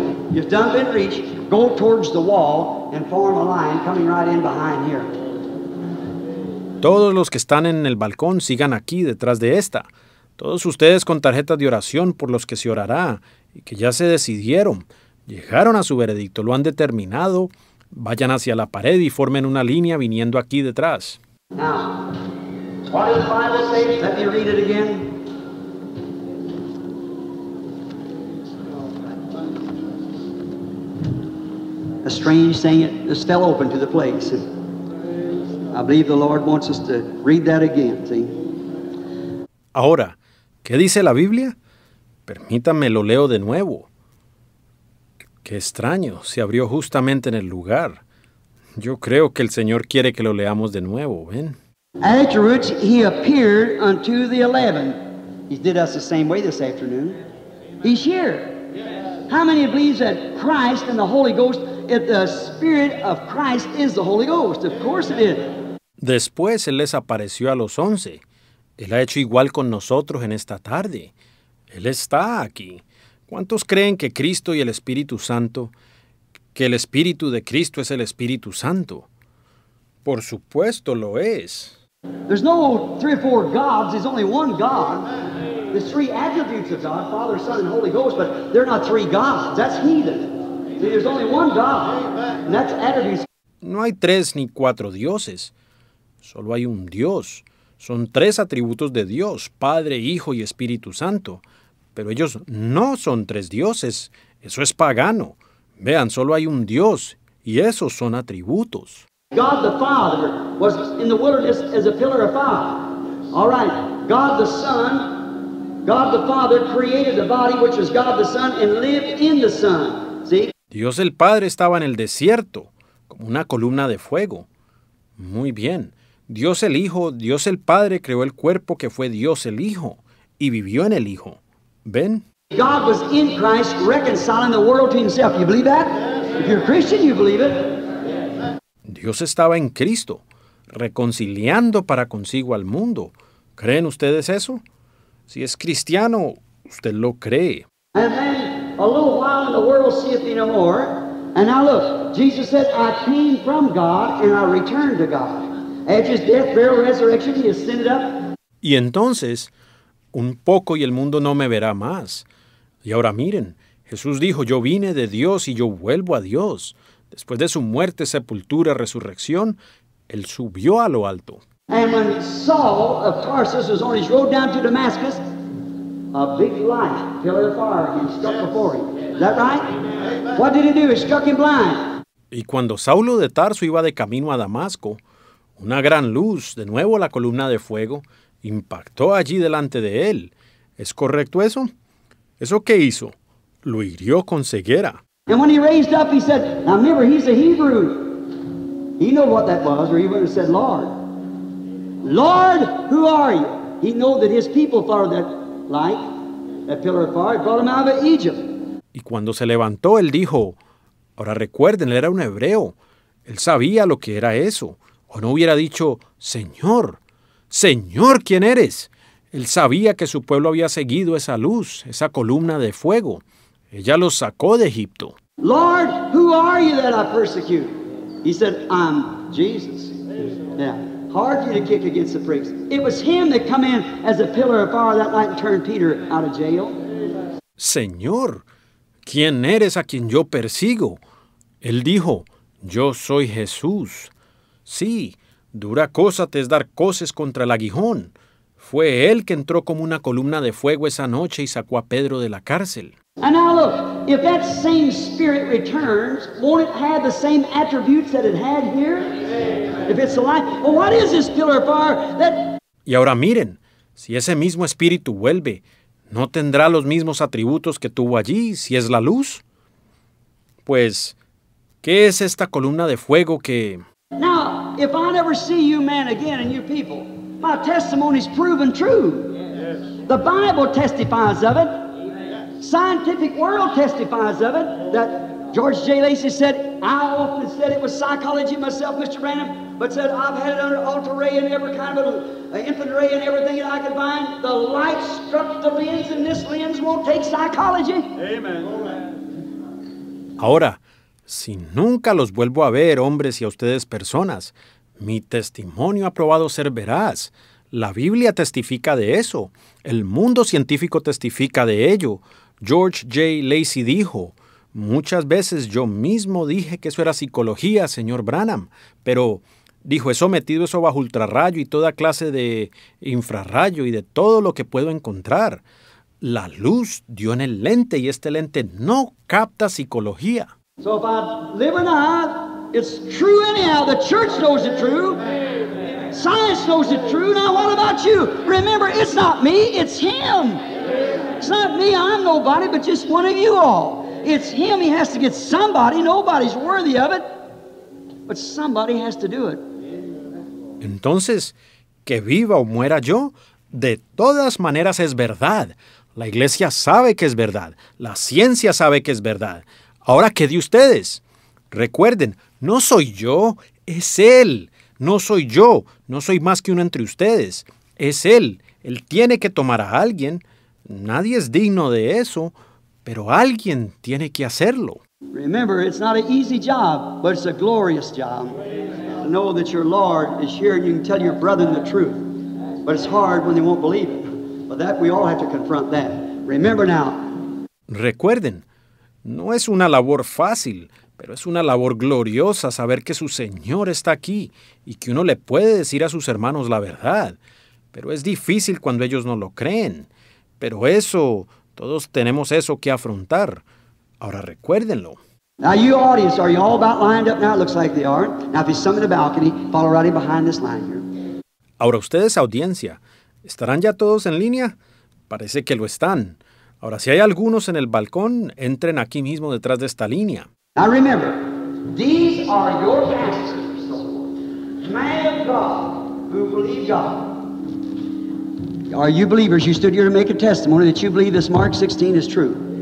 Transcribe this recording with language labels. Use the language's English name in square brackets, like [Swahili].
[English] You've done been reached, go towards the wall and form a line coming right in behind here. [Spanish] Todos los que están en el balcón, sigan aquí detrás de esta. Todos ustedes con tarjetas de oración por los que se orará y que ya se decidieron, llegaron a su veredicto, lo han determinado, vayan hacia la pared y formen una línea viniendo aquí detrás. [English] Now, what does the Bible say? Let me read it again. A strange thing, it fell open to the place. I believe the Lord wants us to read that again, see? [Spanish] Ahora, ¿qué dice la Biblia? Permítame, lo leo de nuevo. Qué extraño, se abrió justamente en el lugar. Yo creo que el Señor quiere que lo leamos de nuevo, ¿ven? [English] Afterwards, he appeared unto the 11. He did us the same way this afternoon. He's here. How many believes that Christ and the Holy Ghost, if the Spirit of Christ is the Holy Ghost? Of course it is. [Spanish] Después, Él les apareció a los 11. Él ha hecho igual con nosotros en esta tarde. Él está aquí. ¿Cuántos creen que Cristo y el Espíritu Santo, que el Espíritu de Cristo es el Espíritu Santo? Por supuesto lo es. [English] There's no three or four gods, there's only one God. There's three attributes of God, Father, Son, and Holy Ghost, but they're not three gods, that's heathen. There's only one God, and that's attributes. [Spanish] No hay tres ni cuatro dioses, solo hay un Dios. Son tres atributos de Dios, Padre, Hijo y Espíritu Santo. Pero ellos no son tres dioses. Eso es pagano. Vean, solo hay un Dios, y esos son atributos. [English] God the Father was in the wilderness as a pillar of fire. All right, God the Father created the body which was God the Son and lived in the Son. See? [Spanish] Dios el Padre estaba en el desierto, como una columna de fuego. Muy bien. Dios el Hijo, Dios el Padre creó el cuerpo que fue Dios el Hijo y vivió en el Hijo. ¿Ven? [English] God was in Christ reconciling the world to himself. You believe that? If you're a Christian, you believe it. [Spanish] Dios estaba en Cristo, reconciliando para consigo al mundo. ¿Creen ustedes eso? Si es cristiano, usted lo cree. [English] And then a little while in the world seeth thee no more. And now look, Jesus said, I came from God and I returned to God. At his death, burial, resurrection, he ascended up. [Spanish] Y entonces, un poco y el mundo no me verá más. Y ahora miren, Jesús dijo, yo vine de Dios y yo vuelvo a Dios. Después de su muerte, sepultura, resurrección, él subió a lo alto. [English] And when Saul of Tarsus was on his road down to Damascus, a big light, pillar of fire, he struck before him. Is that right? Amen. What did he do? He struck him blind. [Spanish] Y cuando Saulo de Tarso iba de camino a Damasco, una gran luz, de nuevo la columna de fuego, impactó allí delante de él. ¿Es correcto eso? ¿Eso qué hizo? Lo hirió con ceguera. [English] And when he raised up, he said, now remember, he's a Hebrew. He knew what that was, or he would have said, Lord. Lord, who are you? He knew that his people followed that light, that pillar of fire, brought him out of Egypt. [Spanish] Y cuando se levantó, él dijo, ahora recuerden, él era un hebreo. Él sabía lo que era eso. O no hubiera dicho, Señor, Señor, ¿quién eres? Él sabía que su pueblo había seguido esa luz, esa columna de fuego. Ella los sacó de Egipto. [English] Lord, who are you that I persecute? He said, I'm Jesus. Yeah. Hard for you to kick against the pricks. It was him that come in as a pillar of fire that night and turned Peter out of jail. [Spanish] Señor, ¿quién eres a quien yo persigo? Él dijo, yo soy Jesús. Sí, dura cosa te es dar coces contra el aguijón. Fue él que entró como una columna de fuego esa noche y sacó a Pedro de la cárcel. [English] And now look, if that same spirit returns, won't it have the same attributes that it had here? If it's alive, well, what is this pillar of fire that... [Spanish] Y ahora miren, si ese mismo espíritu vuelve, ¿no tendrá los mismos atributos que tuvo allí, si es la luz? Pues, ¿qué es esta columna de fuego que... [English] Now, if I never see you man again and you people, my testimony's proven true. The Bible testifies of it. Scientific world testifies of it. That George J. Lacey said, I often said it was psychology myself, Mr. Branham, but said I've had it under ultra ray and every kind of an infant ray and everything that I could find. The light struck the lens and this lens won't take psychology. Amen. [Spanish] Ahora, si nunca los vuelvo a ver, hombres y a ustedes personas, mi testimonio ha probado ser veraz. La Biblia testifica de eso. El mundo científico testifica de ello. George J. Lacey dijo, muchas veces yo mismo dije que eso era psicología, señor Branham, pero dijo, he sometido eso bajo ultrarrayo y toda clase de infrarrayo y de todo lo que puedo encontrar. La luz dio en el lente y este lente no capta psicología. [English] So if I live or not, it's true anyhow. The church knows it true. Science knows it true. Now what about you? Remember, it's not me, it's him. It's not me, I'm nobody, but just one of you all. It's him, he has to get somebody. Nobody's worthy of it, but somebody has to do it. [Spanish] Entonces, que viva o muera yo, de todas maneras es verdad. La iglesia sabe que es verdad. La ciencia sabe que es verdad. Ahora, ¿qué de ustedes? Recuerden, no soy yo, es él. No soy yo, no soy más que uno entre ustedes. Es él, él tiene que tomar a alguien. Nadie es digno de eso, pero alguien tiene que hacerlo. [English] Remember, it's not an easy job, but it's a glorious job. To know that your Lord is here and you can tell your brethren the truth. But it's hard when they won't believe it. But that, we all have to confront that. Remember now. [Spanish] Recuerden, no es una labor fácil, pero es una labor gloriosa saber que su Señor está aquí y que uno le puede decir a sus hermanos la verdad. Pero es difícil cuando ellos no lo creen. Pero eso, todos tenemos eso que afrontar. Ahora recuérdenlo. [English] Now you audience, are you all about lined up now? It looks like they are. Now if you summon the balcony, follow right in behind this line here. [Spanish] Ahora ustedes, audiencia, ¿estarán ya todos en línea? Parece que lo están. Ahora, si hay algunos en el balcón, entren aquí mismo detrás de esta línea. [English] Now remember, these are your pastors, man of God, who believe God. Are you believers? You stood here to make a testimony that you believe this Mark 16 is true.